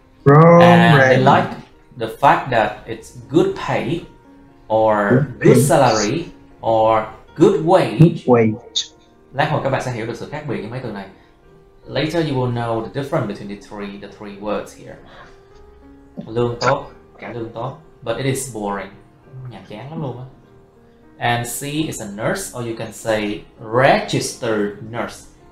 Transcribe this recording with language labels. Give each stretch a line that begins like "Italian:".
English: And they like the fact that it's good pay or good salary or good wage.
Vietnamese: Lát hồi các bạn sẽ hiểu được sự khác biệt giữa mấy từ này.
English: Later you will know the difference between the three words here.
Vietnamese: Lương tốt, cả lương tốt,
English: but it is boring.
Vietnamese: Nhàm chán lắm luôn á.
English: And C is a nurse, or you can say registered nurse.